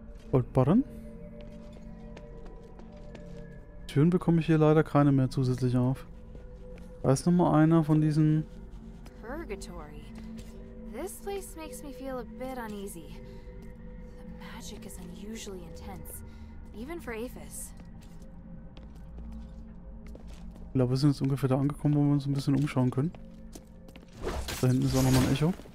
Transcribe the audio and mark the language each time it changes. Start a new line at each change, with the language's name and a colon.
German: Goldbarren. Türen bekomme ich hier leider keine mehr zusätzlich auf. Da ist noch mal einer von diesen.
English: Purgatory. This place makes me feel a bit uneasy. Magic is unusually intense, even for Aphis.
German: Ich glaube, wir sind jetzt ungefähr da angekommen, wo wir uns ein bisschen umschauen können. Da hinten ist auch nochmal ein Echo.